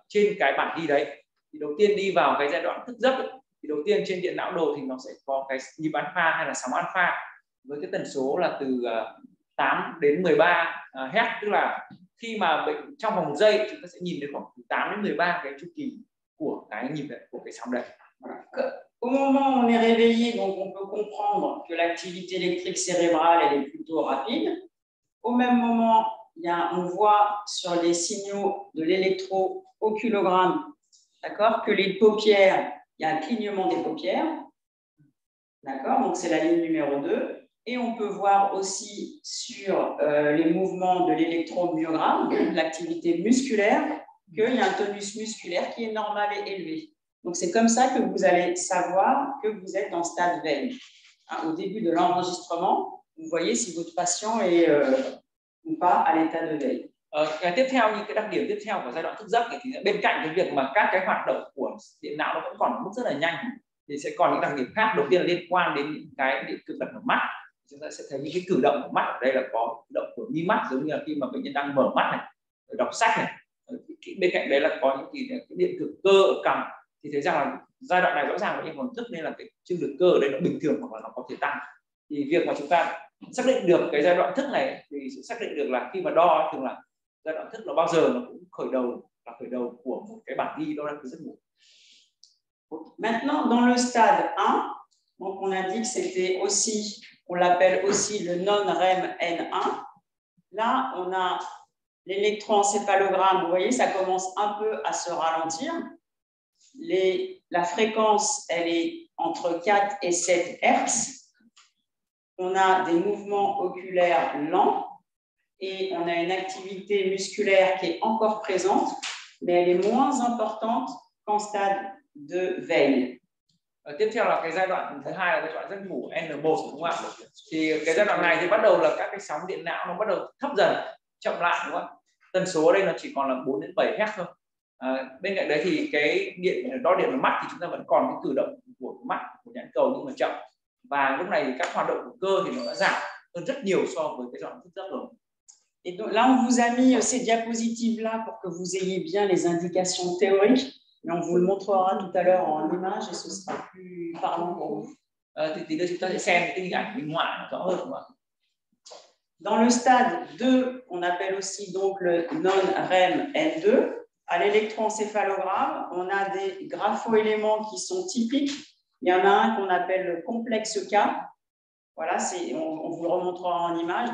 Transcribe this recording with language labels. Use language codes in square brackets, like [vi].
[vi] Trên cái bảng ghi đấy thì đầu tiên đi vào cái giai đoạn thức giấc ấy, thì đầu tiên trên điện não đồ thì nó sẽ có cái nhịp alpha hay là sóng alpha với cái tần số là từ 8 đến 13 Hz, tức là khi mà bệnh trong vòng giây chúng ta sẽ nhìn thấy khoảng 8 đến 13 cái chu kỳ của cái nhịp đấy, của cái sóng đấy. [fr] Au moment où on est réveillé, donc on peut comprendre que l'activité électrique cérébrale elle est plutôt rapide. Au même moment, on voit sur les signaux de l'électro-oculogramme, d'accord, que les paupières, il y a un clignement des paupières, d'accord, donc c'est la ligne numéro 2. Et on peut voir aussi sur les mouvements de l'électromyogramme, l'activité musculaire, qu'il y a un tonus musculaire qui est normal et élevé. Donc c'est comme ça que vous allez savoir que vous êtes en stade veille. Hein, au début de l'enregistrement, vous voyez si votre patient est ou pas à l'état de veille. [vi] Tiếp theo, những cái đặc điểm tiếp theo của giai đoạn thức giấc thì bên cạnh cái việc mà các cái hoạt động của điện não nó vẫn còn mức rất là nhanh thì sẽ còn những đặc điểm khác. Đầu tiên là liên quan đến những cái điện cực đặt ở mắt. Chúng ta sẽ thấy những cái cử động của mắt ở đây là có động của mi mắt, giống như là khi mà bệnh nhân đang mở mắt này, đọc sách này. Bên cạnh đấy là có những cái điện cực cơ ở cằm, thì thấy rằng là giai đoạn này rõ ràng bệnh nhân còn thức nên là cái trương lực cơ ở đây nó bình thường hoặc là nó có thể tăng. Thì việc mà chúng ta xác định được cái giai đoạn thức này thì sẽ xác định được là khi mà đo thường là giai đoạn thức nó bao giờ nó cũng khởi đầu là khởi đầu của một cái bản ghi đó là cái giấc ngủ. [fr] Maintenant dans le stade 1, donc on a dit que c'était aussi, on l'appelle aussi le non-REM N1. Là on a l'électroencéphalogramme, vous voyez ça commence un peu à se ralentir. La fréquence elle est entre 4 et 7 Hz. On a des mouvements oculaires lents et on a une activité musculaire qui est encore présente, mais elle est moins importante qu'en stade de veille. [vi] Tiếp theo là cái giai đoạn thứ hai là giai đoạn giấc ngủ N1, đúng không ạ? Thì cái giai đoạn này thì bắt đầu là các cái sóng điện não nó bắt đầu thấp dần, chậm lại, đúng không ạ? Tần số ở đây nó chỉ còn là 4 đến 7 Hz thôi. Bên cạnh đấy thì cái điện đo điện ở mắt thì chúng ta vẫn còn cái cử động của mắt, của nhãn cầu nhưng mà chậm. Và lúc này các hoạt động của cơ thì nó đã giảm hơn rất nhiều so với cái giai đoạn thức giấc rồi. [fr] Et donc là on vous a mis ces diapositives là pour que vous ayez bien les indications théoriques, mais on vous le montrera tout à l'heure en image et ce sera plus parlant pour vous. [vi] Thì đây chúng ta sẽ xem cái hình ảnh minh họa rõ hơn, đúng không? [fr] Dans le stade 2, on appelle aussi donc le non-REM N2. À l'électroencéphalogramme, on a des graphoéléments qui sont typiques. Il y en a un qu'on appelle le complexe K. Voilà, on vous le remontrera en image.